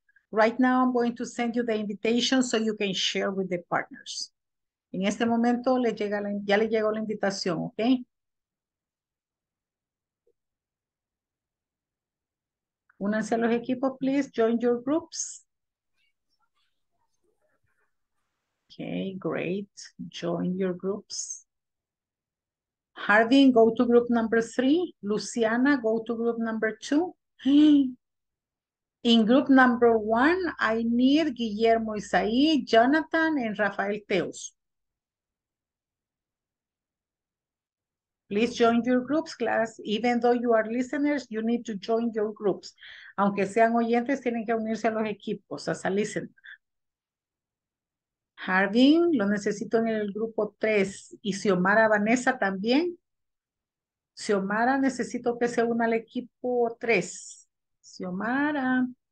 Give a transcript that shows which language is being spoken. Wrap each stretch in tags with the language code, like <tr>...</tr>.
<en>Right now I'm going to send you the invitation so you can share with the partners.</en> <es>En este momento ya le llegó la invitación, okay? Únanse a los equipos,</es> <en>please. Join your groups. Okay, great. Join your groups. Harvin, go to group number 3. Luciana, go to group number 2. In group number 1, I need Guillermo Isaí, Jonathan, and Rafael Teos. Please join your groups, class. Even though you are listeners, you need to join your groups.</en> <es>Aunque sean oyentes, tienen que unirse a los equipos,</es> <en>as a listener.</en> <es>Harvin, lo necesito en el grupo 3. Y Xiomara Vanessa también. Xiomara, necesito que se una al equipo 3. Xiomara.</es>